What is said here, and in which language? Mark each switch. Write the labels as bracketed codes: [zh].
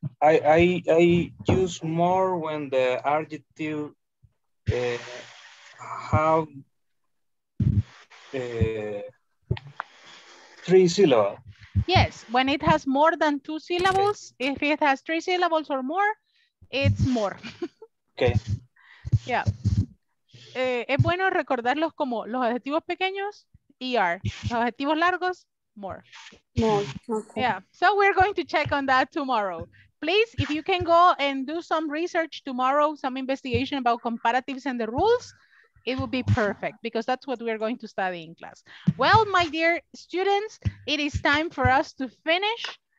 [en] I use more when the adjective have three syllables. Yes, when it has more than two syllables, okay. If it has three syllables or more, it's more. Okay. Yeah. [es] Es bueno recordarlos como los adjetivos pequeños, ER. Los adjetivos largos, more. [en] More. Yeah. So we're going to check on that tomorrow. Please, if you can go and do some research tomorrow, some investigation about comparatives and the rules, it would be perfect because that's what we're going to study in class. Well, my dear students, it is time for us to finish.